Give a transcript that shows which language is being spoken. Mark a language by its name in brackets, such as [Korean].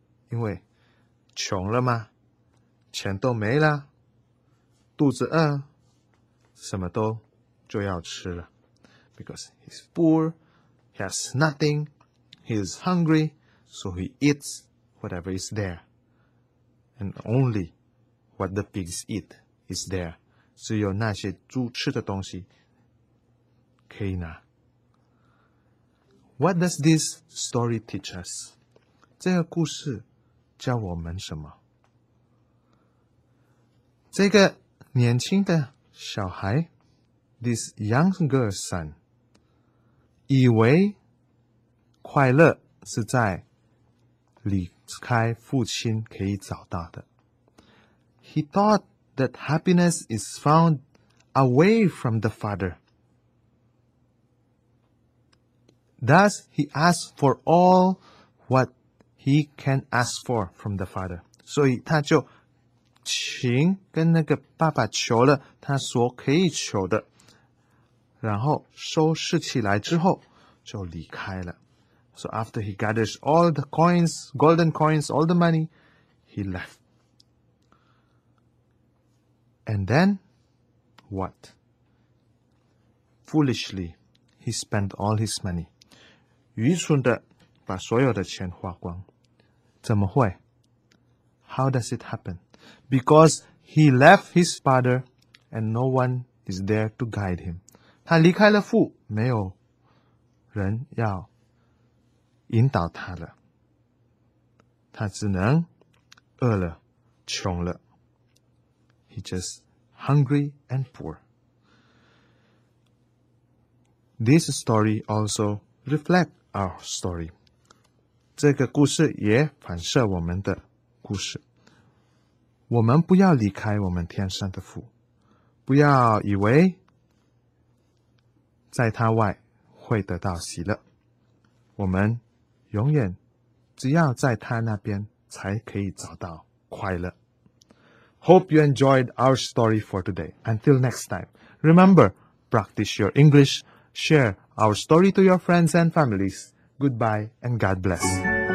[Chinese] 因为穷了吗，钱都没了，肚子饿，什么都就要吃了。 [English] Because he's poor, he has nothing, he is hungrySo he eats whatever is there. And only what the pigs eat is there. [Chinese] 只有那些猪吃的东西可以拿。 [English] What does this story teach us? [Chinese] 这个故事教我们什么？这个年轻的小孩 [English] This younger son [Chinese] 以为快乐是在离开父亲可以找到的。 [English] He thought that happiness is found away from the father. Thus, he asked for all what he can ask for from the father. [Chinese] 所以他就请跟那个爸爸求了他所可以求的，然后收拾起来之后就离开了。 [English] So after he gathers all the coins, golden coins, all the money, he left. And then, what? Foolishly, he spent all his money. [Chinese] 愚蠢的把所有的钱花光。怎么会？ [English] How does it happen? Because he left his father and no one is there to guide him. [Chinese] 他离开了父，没有人要引导他了，他只能饿了，穷了。 [English] He just hungry and poor. This story also reflects our story. [Chinese] 这个故事也反射我们的故事。我们不要离开我们天上的父，不要以为在他外会得到喜乐。我们永远只要在他那边才可以找到快乐。 [English] Hope you enjoyed our story for today. Until next time, remember, practice your English, share our story to your friends and families. Goodbye and God bless.